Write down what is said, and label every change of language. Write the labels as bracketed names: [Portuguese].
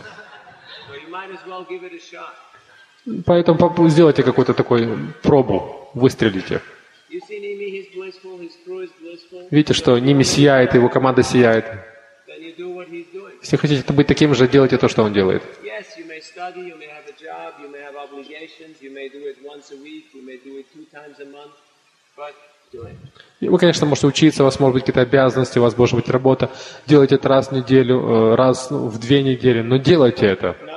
[English] So you might as well give it a shot. [Russian] Поэтому сделайте какую-то такую пробу, выстрелите. [English] You see, Nimi, he's blissful, his crew is blissful. [Russian] Видите, что Nimi сияет, его команда сияет. [English] Then you do what he's doing. [Russian] Если хотите быть таким же, делайте то, что он делает. [English] Yes, you may study, you may have a job, you may have obligations, you may do it once a week, you may do it two times a month, but [Russian] вы, конечно, можете учиться, у вас может быть какие-то обязанности, у вас может быть работа. Делайте это раз в неделю, раз в две недели, но делайте это.